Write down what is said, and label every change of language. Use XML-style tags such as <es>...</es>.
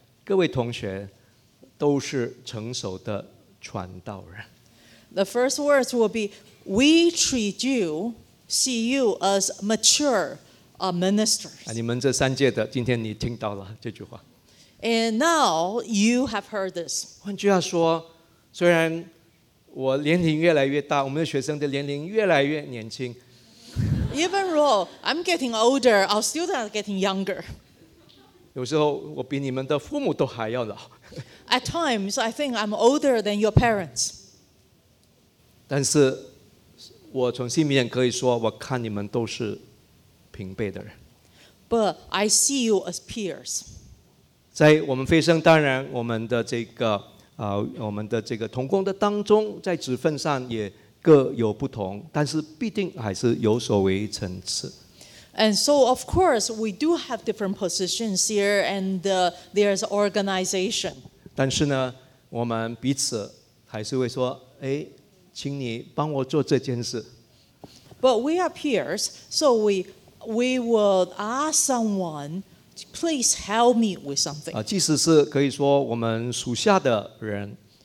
<zh>各位同学都是成熟的传道人。</zh> <en>The first words will be, "We treat you, see you as mature ministers."</en> <zh>你们这三届的，今天你听到了这句话。</zh> <en>And now you have heard this.</en> <zh>换句话说，虽然我年龄越来越大，我们的学生的年龄越来越年轻。</zh> <en>Even though I'm getting older, our students are getting younger.</en> <zh>有时候我比你们的父母都还要老。</zh> <en>At times, I think I'm older than your parents.</en> <zh>但是，我从心里面可以说，我看你们都是平辈的人。</zh> <en>But I see you as peers.</en> <zh>在我们飞升，当然我们的这个我们的这个同工的当中，在职分上也各有不同，但是必定还是有所为层次。</zh> <en>And so, of course, we do have different positions here, and there's organization.</en> <zh>但是呢，我们彼此还是会说，哎，请你帮我做这件事。</zh> <en>But we are peers, so we will ask someone, please help me with something.</en> <zh>即使是可以说我们属下的人。</zh>